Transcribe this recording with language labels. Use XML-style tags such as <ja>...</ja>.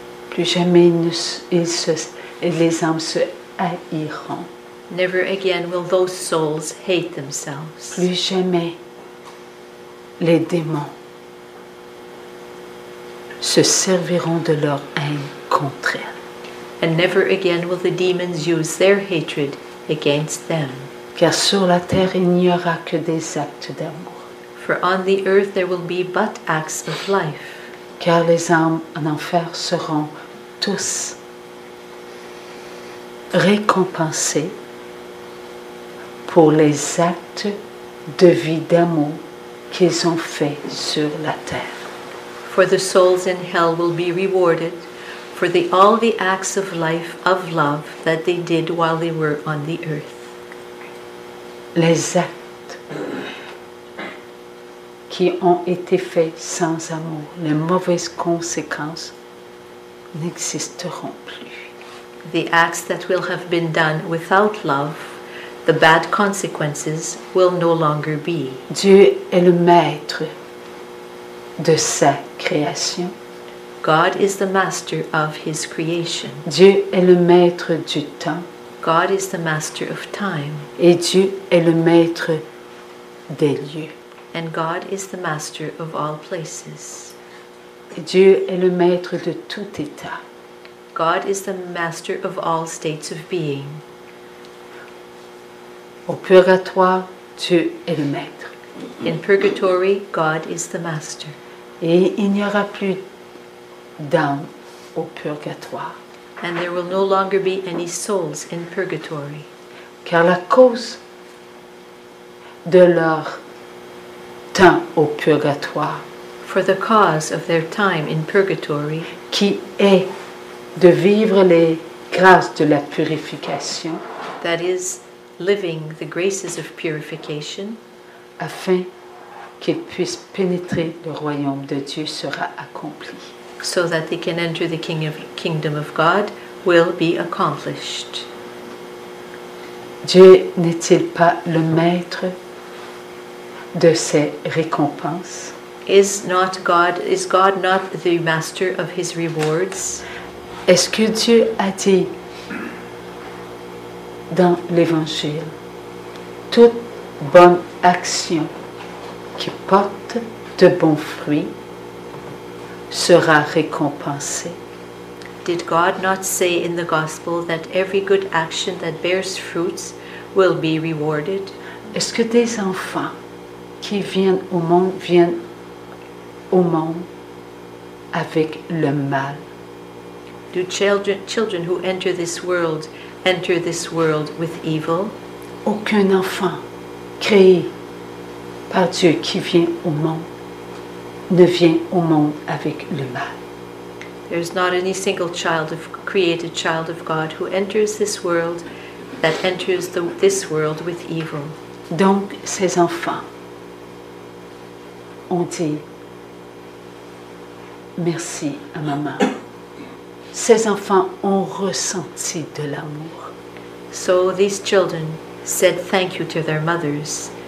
<fr>Plus jamais les âmes se haïront.</fr> <en>Never again will those souls hate themselves.</en> <fr>Plus jamais les démons se serviront de leur haine contre elles.</fr> <en>And never again will the demons use their hatred against them.</en> <fr>Car sur la terre il n'y aura que des actes d'amour.</fr> <en>For on the earth there will be but acts of life.</en> <fr>Car les âmes en enfer seront tous récompensées pour les actes de vie d'amour qu'ils ont faits sur la terre.</fr> <en>For the souls in hell will be rewarded for all the acts of life of love that they did while they were on the earth.</en> <fr>Les actes qui ont été faits sans amour, les mauvaises conséquences n'existeront plus.</fr> <en>The acts that will have been done without love, the bad consequences will no longer be.</en> <fr>Dieu est le maître de sa création.</fr> <en>God is the master of his creation.</en> <fr>Dieu est le maître du temps.</fr> <en>God is the master of time.</en> <fr>Et Dieu est le maître des lieux.</fr> <en>And God is the master of all places.</en> <fr>Dieu est le maître de tout état.</fr> <en>God is the master of all states of being.</en> <fr>Au purgatoire, Dieu est le maître.</fr> <en>In purgatory, God is the master.</en> <fr>Et il n'y aura plus d'âme au purgatoire.</fr> <en>And there will no longer be any souls in purgatory.</en> <fr>Car la cause de leur temps au purgatoire,</fr> <en>for the cause of their time in purgatory,</en> <fr>qui est de vivre les grâces de la purification,</fr> <en>that is, living the graces of purification,</en> <fr>afin qu'ils puissent pénétrer le royaume de Dieu, sera accompli.</fr> <en>So that they can enter the kingdom of God will be accomplished.</en> <fr>Dieu n'est-il pas le maître de ses récompenses?</fr> <en>Is God not the master of his rewards?</en> <fr>Est-ce que Dieu a dit dans l'Évangile, toute bonne action qui porte de bons fruits sera récompensée?</fr> <en>Did God not say in the Gospel that every good action that bears fruits will be rewarded?</en> <fr>Est-ce que des enfants qui viennent au monde avec le mal?</fr> <en>Do children who enter this world with evil?</en> <fr>Aucun enfant créé par Dieu qui vient au monde ne vient au monde avec le mal.</fr> <en>There is not any single child of created child of God who enters this world that enters the, this world with evil.</en> <fr>Donc ses enfants ont dit merci à maman. Ses enfants ont ressenti de l'amour.</fr> <en>So these children said thank you to their mothers.</en>